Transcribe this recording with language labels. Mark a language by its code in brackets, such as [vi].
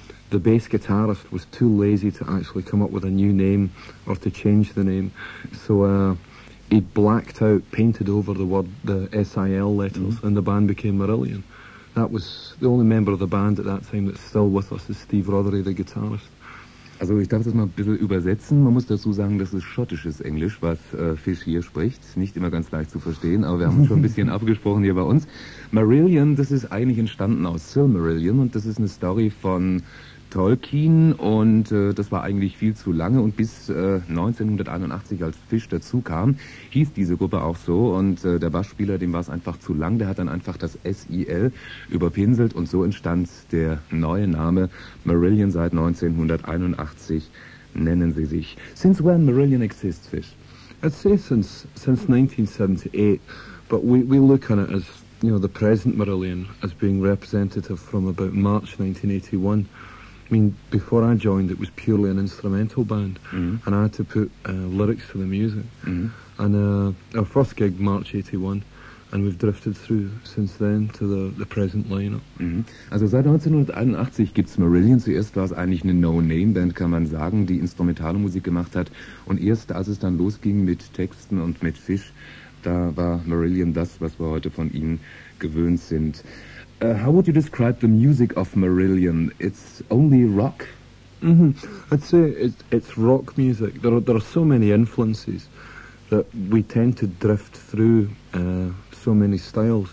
[en] The bass guitarist was too lazy to actually come up with a new name or to change the name, so he blacked out, painted over the word, the S-I-L letters, mm-hmm. and the band became Marillion. That was the only member of the band at that time that's still with us is Steve Rothery, the guitarist. [de] Also ich darf das mal ein bisschen übersetzen. Man muss dazu sagen, das ist schottisches Englisch, was Fish hier spricht. Nicht immer ganz leicht zu verstehen, aber wir haben schon ein bisschen abgesprochen hier bei uns. Marillion, das ist eigentlich entstanden aus Silmarillion und das ist eine Story von Tolkien und das war eigentlich viel zu lange und bis 1981, als Fish dazu kam, hieß diese Gruppe auch so und der Bassspieler, dem war es einfach zu lang, der hat dann einfach das S-I-L überpinselt und so entstand der neue Name Marillion seit 1981, nennen sie sich. [en] Since when Marillion exists, Fish? I'd say since 1978, but we look on it as, you know, the present Marillion as being representative from about March 1981. I mean, before I joined, it was purely an instrumental band, mm-hmm. and I had to put lyrics to the music. Mm-hmm. And our first gig, March 81, and we've drifted through since then to the present lineup. [de] Mm-hmm. Also seit 1981 gibt's Marillion. Zuerst war es eigentlich eine No-Name-Band, kann man sagen, die instrumentale Musik gemacht hat. Und erst, als es dann losging mit Texten und mit Fish, da war Marillion das, was wir heute von ihnen gewöhnt sind. [en] How would you describe the music of Marillion? It's only rock? Mm-hmm. I'd say it's rock music. There are so many influences that we tend to drift through so many styles.